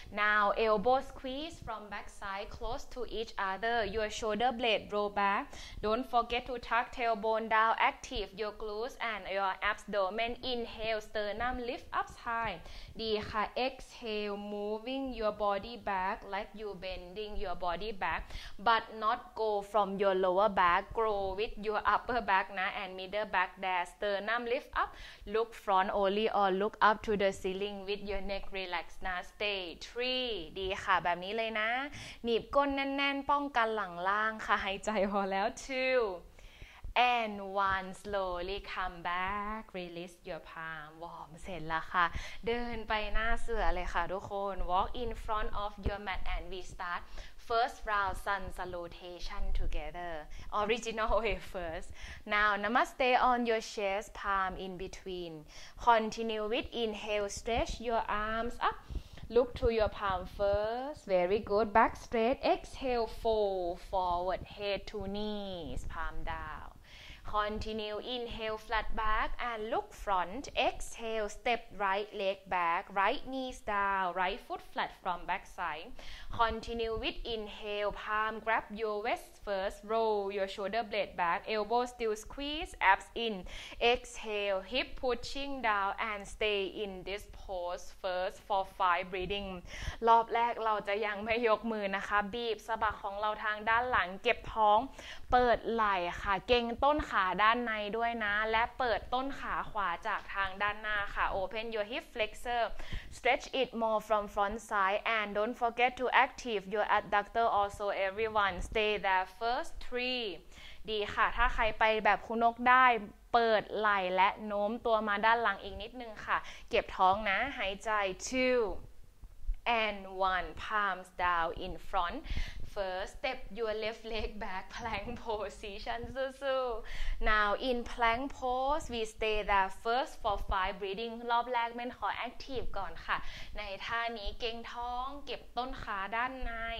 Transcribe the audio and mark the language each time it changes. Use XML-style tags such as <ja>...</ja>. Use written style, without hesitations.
<en>now elbow squeeze from back side close to each other your shoulder blade roll back don't forget to tuck tailbone down active your glutes and your abdomen inhale sternum lift up high</en> <th>ดีค่ะ</th> <en>exhaleMoving your body back like you bending your body back, but not go from your lower back. Grow with your upper back now and middle back there. Sternum lift up. Look front only or look up to the ceiling with your neck relaxed now. Stay three.</en> <th>ดีค่ะแบบนี้เลยนะหนีบก้นแน่นๆป้องกันหลังล่างค่ะหายใจพอแล้ว two.</th> <en>And one, slowly come back, release your palm. Warm,</en> <th>เสร็จแล้วค่ะ เดินไปหน้าเสือเลยค่ะทุกคน</th> <en>Walk in front of your mat and we start first round sun salutation together. Original way first. Now, namaste on your chest, palm in between. Continue with inhale, stretch your arms up. Look to your palm first. Very good. Back straight. Exhale. Fold forward. Head to knees. Palm down. Continue. Inhale. Flat back. And look front. Exhale. Step right leg back. Right knees down. Right foot flat from back side. Continue with inhale. Palm. Grab your waist first. Roll your shoulder blade back. Elbow still squeeze. Abs in. Exhale. Hip pushing down. And stay in this posePause first for five breathing.</en> <th>รอบแรกเราจะยังไม่ยกมือนะคะบีบสะบักของเราทางด้านหลังเก็บท้องเปิดไหล่ค่ะเก่งต้นขาด้านในด้วยนะและเปิดต้นขาขวาจากทางด้านหน้าค่ะ</th> <en>Open your hip flexor. Stretch it more from front side. And don't forget to active your adductor also everyone. Stay there first. Three.</en> <th>ดีค่ะถ้าใครไปแบบคุณนกได้เปิดไหล่และโน้มตัวมาด้านหลังอีกนิดนึงค่ะเก็บท้องนะหายใจ</th> <en>2 and 1 palms down in front first step your left leg back plank position so now in plank pose we stay there first for 5 breathing</en> <th>รอบแรกเมนขอ active ก่อนค่ะในท่านี้เก่งท้องเก็บต้นขาด้านใน</th>